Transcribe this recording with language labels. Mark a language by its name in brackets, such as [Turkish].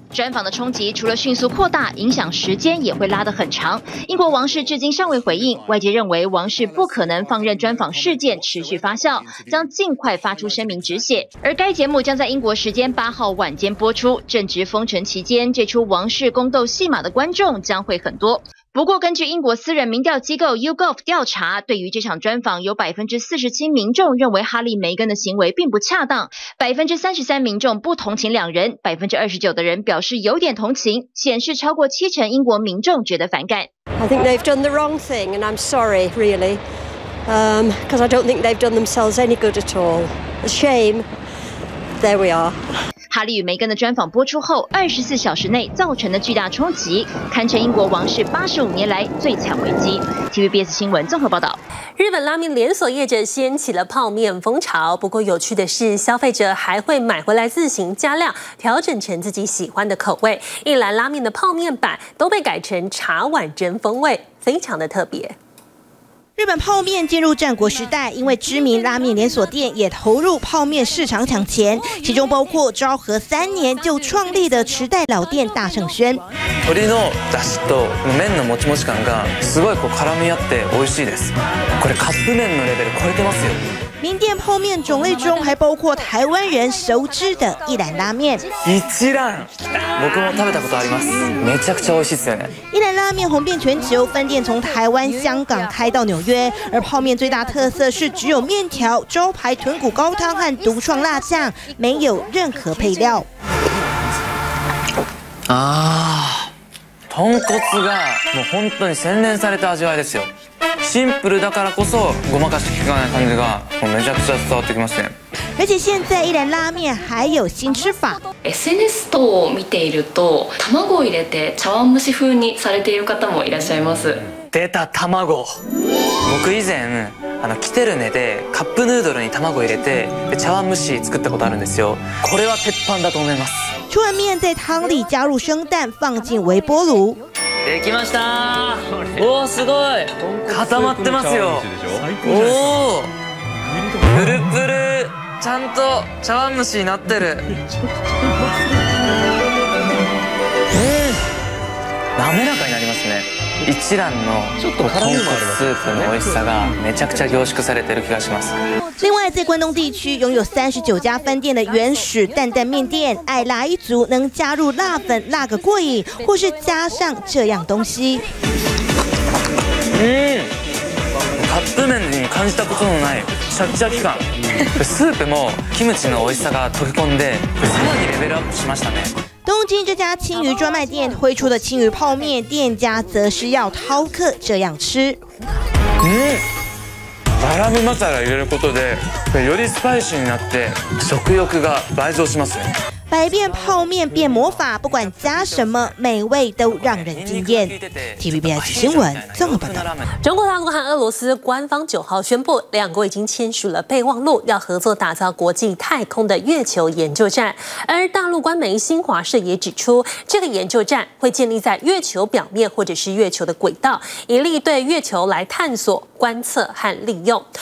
[Chinese] 专访的冲击除了迅速扩大，影响时间也会拉得很长。英国王室至今尚未回应，外界认为王室不可能放任专访事件持续发酵，将尽快发出声明止血。而该节目将在英国时间8号晚间播出，正值封城期间，这出王室宫斗戏码的观众将会很多。不过根据英国私人民调机构 YouGov 调查，对于这场专访有47%民众认为哈利梅根的行为并不恰当，33%民众不同情两人，29%的人表示有点同情，显示超过70%英国民众觉得反感。 [English] I think they've done the wrong thing and I'm sorry really, because I don't think they've done themselves any good at all. A shame. There we are. [Chinese] 哈利与梅根的专访播出后，24小时内造成的巨大冲击，堪称英国王室85年来最强危机。 TVBS 新闻综合报道。日本拉面连锁业者掀起了泡面风潮，不过有趣的是，消费者还会买回来自行加量，调整成自己喜欢的口味。一兰拉面的泡面版都被改成茶碗蒸风味，非常的特别。日本泡面进入战国时代，因为知名拉面连锁店也投入泡面市场抢钱，其中包括昭和3年就创立的池袋老店大盛轩。 [Japanese] 鶏のだしと麺のもちもち感がすごいこう絡み合って美味しいです。これカップ麺のレベル超えてますよ。 [Chinese] 名店泡面种类中还包括台湾人熟知的一兰拉面。 [Japanese] 一兰，僕も食べたことあります。めちゃくちゃ美味しいですよね。 [Chinese] 一兰拉面红遍全球，分店从台湾、香港开到纽约。而泡面最大特色是只有面条、招牌豚骨高汤和独创辣酱，没有任何配料。 [Japanese] 啊，豚骨がもう本当に洗練された味わいですよ。シンプルだからこそごまかし効かない感じがめちゃくちゃ伝わってきますね。 [Chinese] 而且现在一兰拉面还有新吃法。 [Japanese] SNS 等を見ていると、卵を入れて茶碗蒸し風にされている方もいらっしゃいます。出た卵。僕以前来てるねでカップヌードルに卵入れて茶碗蒸し作ったことあるんですよ。これは鉄板だと思います。 [Chinese] 除了面在汤里加入生蛋，放进微波炉。 [Japanese] できました。おおすごい。固まってますよ。おお。プルプル。ちゃんと茶碗蒸しになってる。滑らかになりますね。一蘭のちょっと豚骨スープの美味しさがめちゃくちゃ凝縮されている気がします。 [Chinese] 另外，在关东地区拥有39家分店的原始担担面店，爱辣一族能加入辣粉辣个过瘾，或是加上这样东西。 [Japanese] カップ麺に感じたことのないシャキシャキ感。スープもキムチの美味しさが溶け込んで、さらにレベルアップしましたね。 [Chinese] 东京这家青鱼专卖店推出的青鱼泡面，店家则是要饕客这样吃。 [Japanese] 嗯，わらびマサラ入れることで、よりスパイシーになって食欲が倍増しますね。 [Chinese] 百变泡面变魔法，不管加什么，美味都让人惊艳。 TVBS 新闻综合报道。中国大陆和俄罗斯官方9号宣布，两国已经签署了备忘录，要合作打造国际太空的月球研究站。而大陆官媒新华社也指出，这个研究站会建立在月球表面或者是月球的轨道，以利对月球来探索、观测和利用。